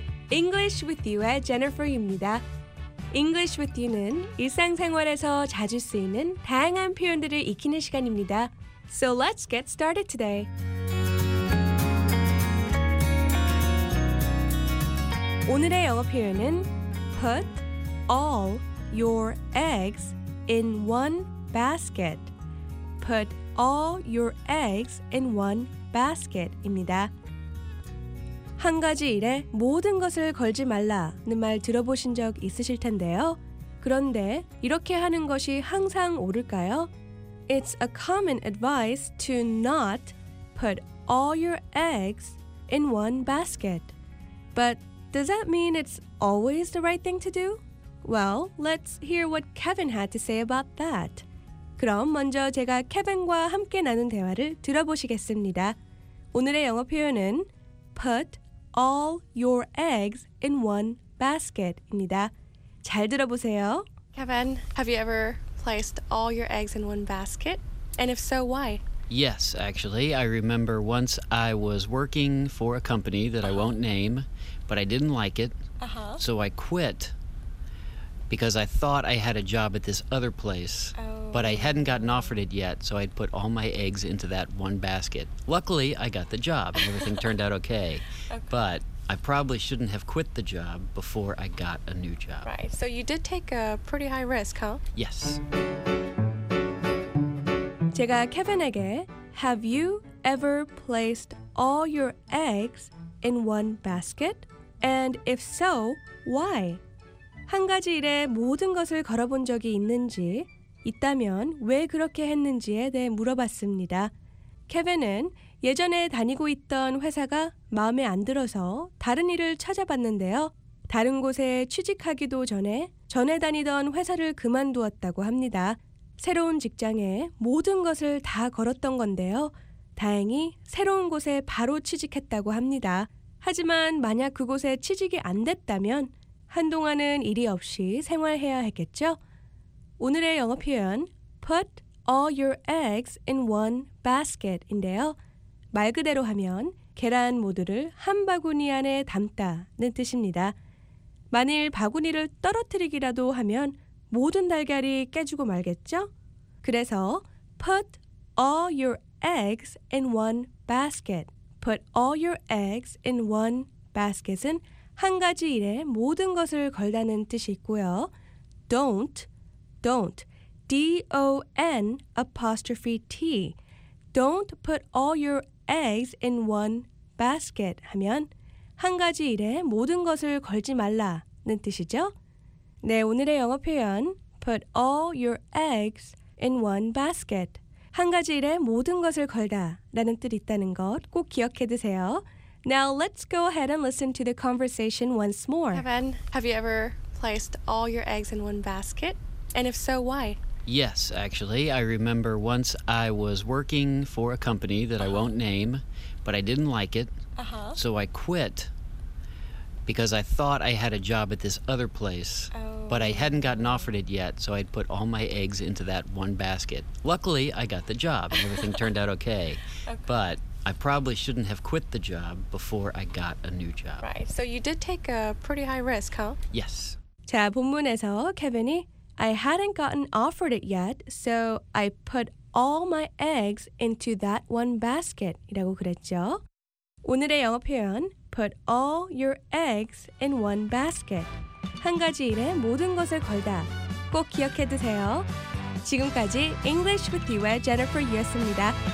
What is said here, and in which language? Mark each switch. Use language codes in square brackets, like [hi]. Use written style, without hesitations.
[ko] English with you의 Jennifer입니다. English with you는 일상생활에서 자주 쓰이는 다양한 표현들을 익히는 시간입니다. [en] So let's get started today. [ko] 오늘의 영어 표현은 [en] put all your eggs in one basket. Put all your eggs in one basket입니다. [ko] 한 가지 일에 모든 것을 걸지 말라는 말 들어보신 적 있으실 텐데요. 그런데 이렇게 하는 것이 항상 옳을까요? [en] It's a common advice to not put all your eggs in one basket. But does that mean it's always the right thing to do? Well, let's hear what Kevin had to say about that. [ko] 그럼 먼저 제가 케빈과 함께 나눈 대화를 들어보시겠습니다. 오늘의 영어 표현은 [en] put all your eggs in one basket입니다. [ko] 잘 들어보세요. [en] Kevin, have you ever placed all your eggs in one basket? And if so, why? Yes, actually. I remember once I was working for a company that I won't name, but I didn't like it. So I quit because I thought I had a job at this other place. But I hadn't gotten offered it yet, so I'd put all my eggs into that one basket. Luckily, I got the job and everything turned out okay. But I probably shouldn't have quit the job before I got a new job. Right. So you did take a pretty high risk, huh? Yes. [ko] 제가 케빈에게 [en] Have you ever placed all your eggs in one basket? And if so, why? [ko] 한 가지 일에 모든 것을 걸어본 적이 있는지 있다면 왜 그렇게 했는지에 대해 물어봤습니다. 케빈은 예전에 다니고 있던 회사가 마음에 안 들어서 다른 일을 찾아봤는데요. 다른 곳에 취직하기도 전에 다니던 회사를 그만두었다고 합니다. 새로운 직장에 모든 것을 다 걸었던 건데요. 다행히 새로운 곳에 바로 취직했다고 합니다. 하지만 만약 그곳에 취직이 안 됐다면 한동안은 일이 없이 생활해야 했겠죠? 오늘의 영어 표현 [en] put all your eggs in one basket인데요. [ko] 말 그대로 하면 계란 모두를 한 바구니 안에 담다는 뜻입니다. 만일 바구니를 떨어뜨리기라도 하면 모든 달걀이 깨지고 말겠죠? 그래서 [en] put all your eggs in one basket. Put all your eggs in one basket [ko] 은 한 가지 일에 모든 것을 걸다는 뜻이 있고요. [en] Don't, D-O-N apostrophe T. Don't put all your eggs in one basket [ko] 하면 한 가지 일에 모든 것을 걸지 말라는 뜻이죠. 네, 오늘의 영어 표현 [en] put all your eggs in one basket. [ko] 한 가지 일에 모든 것을 걸다 라는 뜻이 있다는 것 꼭 기억해 두세요. [en] Now let's go ahead and listen to the conversation once more. Kevin, have you ever placed all your eggs in one basket? And if so, why? Yes, actually. I remember once I was working for a company that I won't name, but I didn't like it. So I quit because I thought I had a job at this other place. But I hadn't gotten offered it yet, so I'd put all my eggs into that one basket. Luckily, I got the job and everything turned out okay. But I probably shouldn't have quit the job before I got a new job. Right. So you did take a pretty high risk, huh? Yes. [ko] 자, 본문에서 케빈이 [en] I hadn't gotten offered it yet, so I put all my eggs into that one basket [ko] 이라고 그랬죠. 오늘의 영어 표현, [en] put all your eggs in one basket. [ko] 한 가지 일에 모든 것을 걸다. 꼭 기억해 두세요. 지금까지 English with You의 Jennifer 이었습니다.